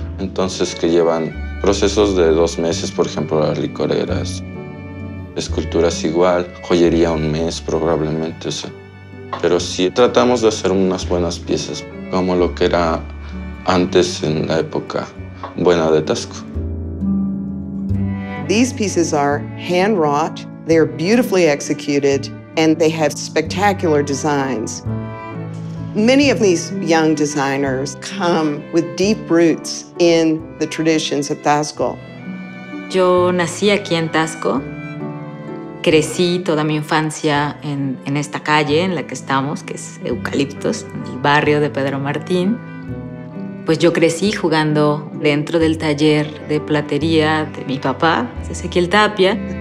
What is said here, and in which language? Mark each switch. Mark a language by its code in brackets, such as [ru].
[es] Entonces, que llevan procesos de 2 meses, por ejemplo, las licoreras, esculturas igual, joyería 1 mes probablemente, o sea. Pero sí tratamos de hacer unas buenas piezas, como lo que era antes en la época buena de Taxco. [en] These pieces are hand-wrought, they are beautifully executed, and they have spectacular designs. Many of these young designers come with deep roots in the traditions of Taxco. [es] Yo nací aquí en Taxco. Crecí toda mi infancia en esta calle en la que estamos, que es Eucaliptos, el barrio de Pedro Martín. Pues yo crecí jugando dentro del taller de platería de mi papá, Ezequiel Tapia.